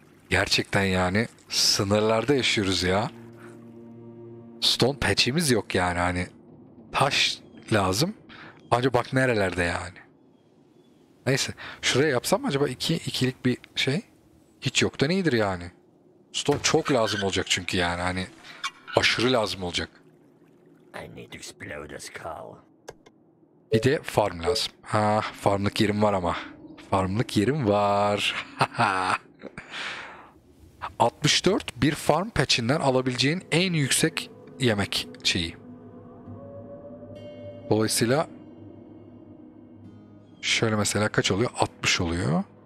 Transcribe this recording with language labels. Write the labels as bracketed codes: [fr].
[tr] Gerçekten yani sınırlarda yaşıyoruz ya. Stone patch'imiz yok yani, hani taş lazım. Acaba bak nerelerde yani. Neyse, şuraya yapsam acaba 2 ikilik bir şey. Hiç yok da iyidir yani. Stone çok lazım olacak çünkü yani, hani aşırı lazım olacak. [en] I need to explode this car. [tr] Bir de farm lazım. Ha, farmlık yerim var ama. Farmlık yerim var. 64 bir farm patch'inden alabileceğin en yüksek yemek şeyi. Dolayısıyla şöyle mesela kaç oluyor? 60 oluyor.